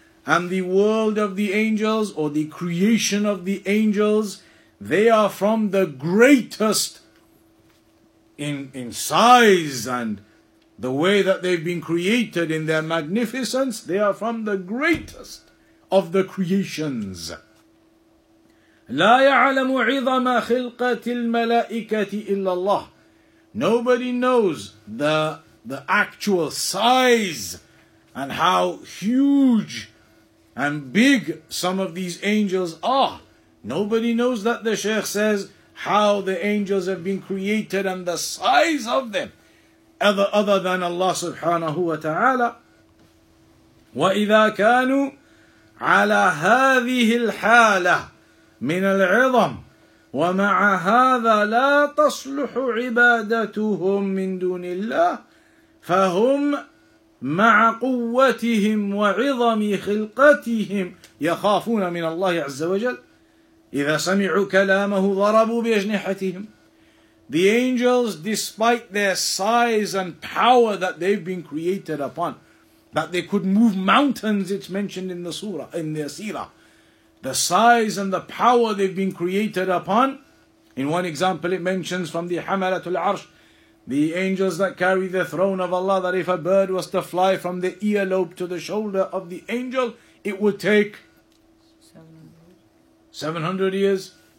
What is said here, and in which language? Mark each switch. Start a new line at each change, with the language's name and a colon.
English: and the world of the angels, or the creation of the angels, they are from the greatest in size, and the way that they've been created in their magnificence, they are from the greatest of the creations.
Arabic: لا يعلم عظم خلقة الملائكة إلا الله.
English: Nobody knows the actual size and how huge and big some of these angels are. Nobody knows that, the Shaykh says, how the angels have been created and the size of them, other than Allah subhanahu wa ta'ala.
Arabic: وَإِذَا كَانُوا عَلَى هَذِهِ الْحَالَةِ من العظم ومع هذا لا تصلح عبادتهم من دون الله فهم مع قوتهم وعظم خلقتهم يخافون من الله عز وجل إذا سمعوا كلامه ضربوا بأجنحتهم.
English: The angels, despite their size and power that they've been created upon, that they could move mountains, it's mentioned in the surah, in their seerah, the size and the power they've been created upon. In one example, it mentions from the Hamalatul Arsh, the angels that carry the throne of Allah, that if a bird was to fly from the earlobe to the shoulder of the angel, it would take 700 years.